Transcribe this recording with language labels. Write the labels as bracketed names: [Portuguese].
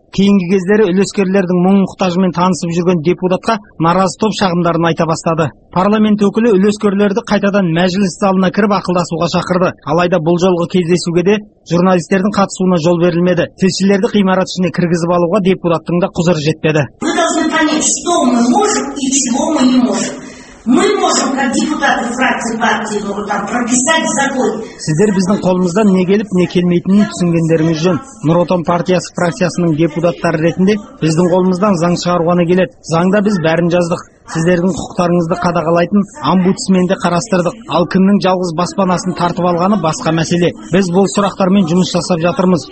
[Kazakh] Кейінгі кездері үлескерлердің мұң-мұқтажымен танысып жүрген депутатқа наразы топ шағымдарын айта бастады. Парламент өкілі үлескерлерді қайтадан мәжіліс залына кіріп ақылдасуға шақырды. Алайда бұл жолғы кездесуге де журналистердің қатысуына жол берілмеді. Тілшілерді ғимарат ішіне кіргізіп алуға депутаттың да құзыры жетпеді. [Russian] Мы можем, как депутаты фракции партии Нұр Отан, прописать закон. [Kazakh] Сіздер біздің қолымыздан не келіп, не келмейтінін түсінгендеріңіз жөн. Нұр Отан партиясы фракциясының депутаттары ретінде біздің қолымыздан заң шығаруға келеді. Заңда біз бәрін жаздық. Сіздердің құқықтарыңызды қадағалайтын омбудсменді қарастырдық. Ал кімнің жалғыз баспанасын тартып алғаны басқа мәселе. Біз бұл сұрақтармен жұмыс жасап жатырмыз.